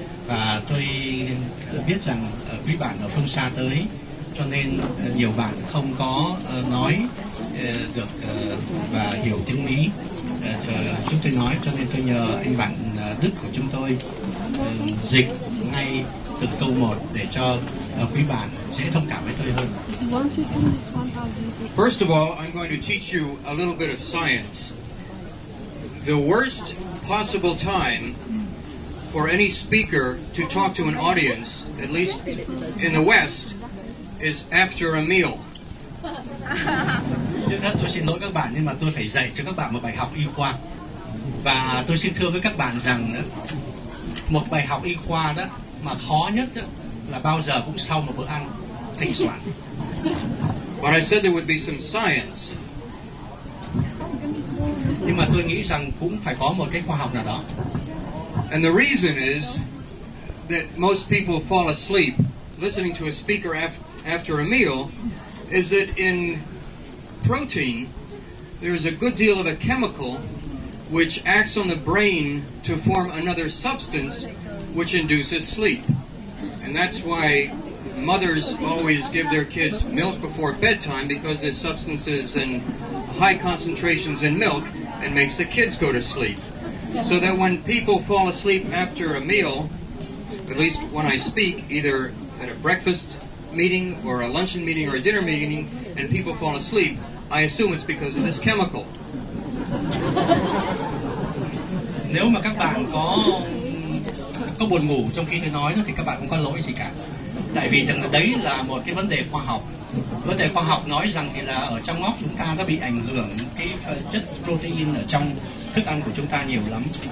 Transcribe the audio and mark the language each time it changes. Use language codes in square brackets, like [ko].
[vi] Và tôi biết rằng quý bạn ở phương xa tới, cho nên nhiều bạn không có nói được và hiểu tiếng Mỹ chúng tôi nói, cho nên tôi nhờ anh bạn Đức của chúng tôi dịch ngay từ câu một để cho quý bạn sẽ thông cảm với tôi hơn. [en] First of all, I'm going to teach you a little bit of science. The worst possible time for any speaker to talk to an audience, at least in the West, is after a meal. [vi] Tôi xin lỗi các bạn, nhưng mà tôi phải dạy cho các bạn một bài học y khoa. Và tôi xin thưa với các bạn rằng một bài học y khoa đó mà khó nhất là bao giờ cũng sau một bữa ăn thịnh soạn. [en] But I said there would be some science. [vi] Nhưng mà tôi nghĩ rằng cũng phải có một cái khoa học nào đó. [en] And the reason is that most people fall asleep listening to a speaker after a meal is that in protein there is a good deal of a chemical which acts on the brain to form another substance which induces sleep. And that's why mothers always give their kids milk before bedtime, because there's substances in high concentrations in milk and makes the kids go to sleep. So that when people fall asleep after a meal, at least when I speak, either at a breakfast meeting or a luncheon meeting or a dinner meeting, and people fall asleep, I assume it's because of this chemical. [vi] Nếu mà các bạn có buồn ngủ trong khi tôi nói thì các bạn không có lỗi gì cả. Tại vì rằng đấy là một cái vấn đề khoa học. Vấn đề khoa học nói rằng thì là ở trong óc chúng ta có bị ảnh hưởng cái chất protein ở trong thức ăn của chúng ta nhiều lắm.